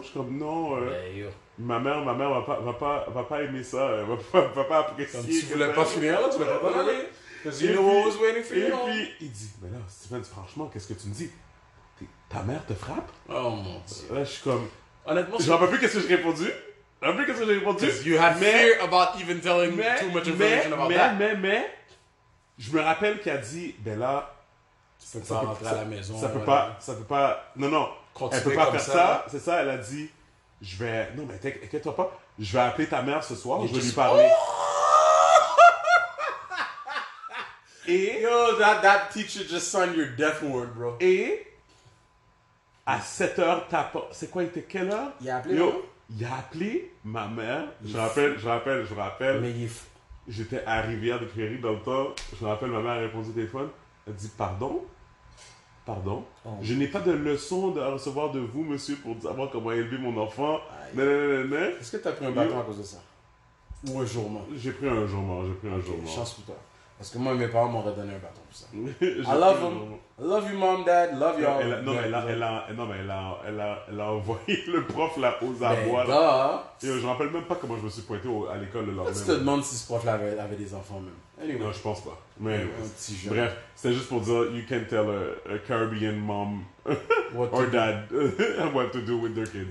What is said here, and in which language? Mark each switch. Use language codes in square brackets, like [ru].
[fr] Je suis comme, non. Ma mère va pas aimer ça. Va pas apprécier. Comme tu voulais pas finir, tu vas pas aller. Et puis, il dit, mais là, Steven, franchement, qu'est-ce que tu me dis? Ta mère te frappe? Oh mon Dieu. Là, je suis comme. Honnêtement, je ne sais plus qu'est-ce que j'ai répondu. [en] Because you had fear about even telling me too much information about [fr] mais, [en] that. [fr] Mais, je me rappelle qu'il a dit, ben là. Tu peux pas rentrer à la maison. Ça peut pas. Non. Continuer elle peut pas comme faire ça. Là. C'est ça, elle a dit, je vais. Non, mais t'inquiète-toi pas. Je vais appeler ta mère ce soir. Je vais lui parler. Oh! Et [en] yo, that teacher just signed your death warrant, bro. [fr] Et à 7h, c'est quoi, il était quelle heure? Il a appelé. Yo, il a appelé ma mère. Je rappelle. Mais il. J'étais à Rivière de Prairie dans le temps. Je me rappelle, ma mère a répondu au téléphone. Elle dit Pardon. Oh. Je n'ai pas de leçon à recevoir de vous, monsieur, pour savoir comment élever mon enfant. Est-ce que tu as pris un bâton à cause de ça? Ou un jour mort? J'ai pris un jour mort. Chance pour toi. Parce que moi, mes parents m'auraient donné un bâton pour ça. [en] I love you, mom, dad. Love y'all. [fr] Elle a envoyé le prof là aux abois. Mais je ne me rappelle même pas comment je me suis pointé à l'école le lendemain. Tu te demandes si ce prof-là avait des enfants même. [en] Anyway. [fr] Non, je pense pas. Mais bref, c'était juste pour dire, [en] you can tell a Caribbean mom or dad what to do with their kids.